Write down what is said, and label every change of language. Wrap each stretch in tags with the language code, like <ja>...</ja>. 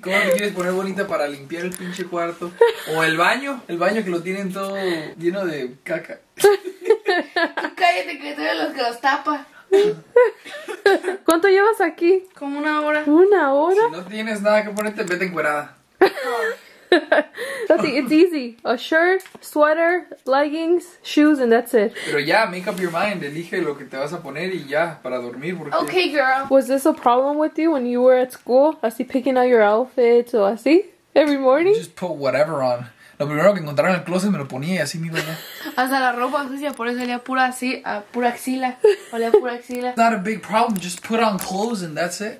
<es>¿Cómo te quieres poner bonita para limpiar el pinche cuarto? ¿O el baño? El baño que lo tienen todo lleno de caca. Tú cállate que soy de los que los tapa. ¿Cuánto llevas aquí? Como una hora. ¿Una hora? Si no tienes nada que ponerte, vete encuerada.</es> <en>Tati, it's easy. A shirt, sweater, leggings, shoes, and that's it.</en> <es>Pero ya,</es> <en>make up your mind.</en> <es>Elige lo que te vas a poner y ya, para dormir. Porque...</es> <en>Okay, girl. Was this a problem with you when you were at school?</en> <es>Así,</es> <en>picking out your outfit</en> <es>o así,</es> <en>every morning? You just put whatever on.</en> <es>Lo primero que encontraron en el closet me lo ponía y así me iba ya. Hasta la ropa sucia, por eso olía pura así, pura axila. Olía pura axila.</es> <en>It's not a big problem, just put on clothes and that's it.</en>